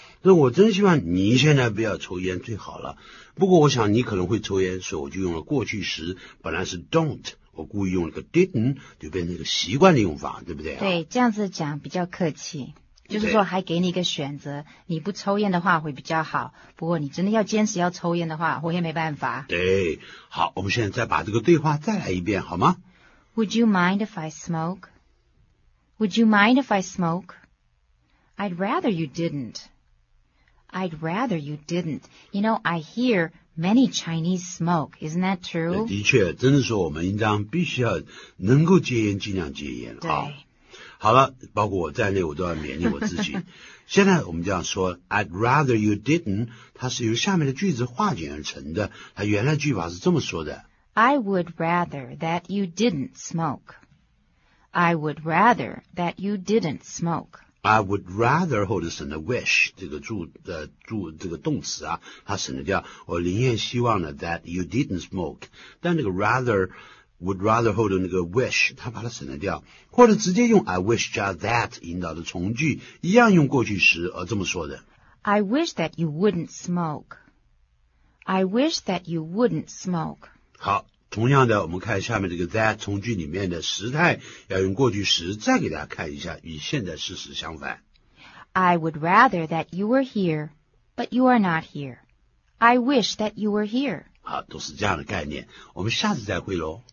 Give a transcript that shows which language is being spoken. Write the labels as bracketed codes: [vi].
[zh] 那我真希望你现在不要抽烟最好了，不过我想你可能会抽烟，所以我就用了过去时，本来是 don't, 我故意用了个 didn't, 就变成一个习惯的用法，对不对，对，这样子讲比较客气。就是说还给你一个选择，你不抽烟的话会比较好，不过你真的要坚持要抽烟的话我也没办法。对，好，我们现在再把这个对话再来一遍好吗？ [en] Would you mind if I smoke? Would you mind if I smoke? I'd rather you didn't. I'd rather you didn't. You know, I hear many Chinese smoke, isn't that true? [zh] 的确，真的说我们应当必须要能够戒烟尽量戒烟。对，好了，包括我在内，我都要勉励我自己。现在我们这样说 ， [en] I'd rather you didn't， [zh] 它是由下面的句子化简而成的。它原来句法是这么说的 [en] ：I would rather that you didn't smoke. I would rather that you didn't smoke. [zh] I would rather 或者省了 wish 这个这个动词啊，它省了掉。我宁愿希望呢 [en] that you didn't smoke， [zh] 但那个 rather。 [en] Would rather hold [zh] 那个 wish, 他把它省了掉，或者直接用 I wish 加 that 引导的从句，一样用过去时而这么说的。 [en] I wish that you wouldn't smoke. I wish that you wouldn't smoke. [zh] 好，同样的，我们看下面这个 that 从句里面的时态，要用过去时，再给大家看一下，与现在事实相反。 [en] I would rather that you were here, but you are not here. I wish that you were here. [zh] 好，都是这样的概念，我们下次再会咯。